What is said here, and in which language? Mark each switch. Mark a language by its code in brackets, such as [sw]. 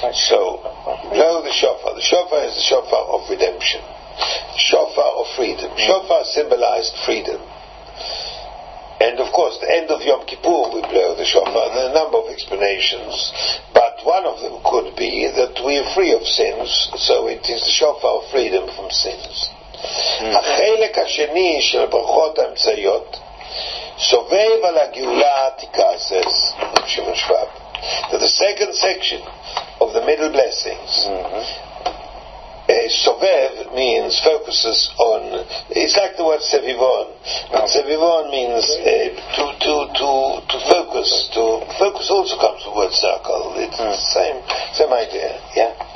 [en] So blow the shofar. The shofar is the shofar of redemption, shofar of freedom. Shofar symbolized freedom. And of course, the end of Yom Kippur, we blow the shofar. There are a number of explanations, but one of them could be that we are free of sins, so it is the shofar of freedom from sins. [he] החלק השני של ברכות האמצעיות סובב על הגאולה העתיקה, [en] says Shimon Schwab. That the second section of the middle blessings, Sovev means focuses on, it's like the word Sevivon. Sevivon means to focus. To focus also comes from the word circle. It's the same idea. Yeah.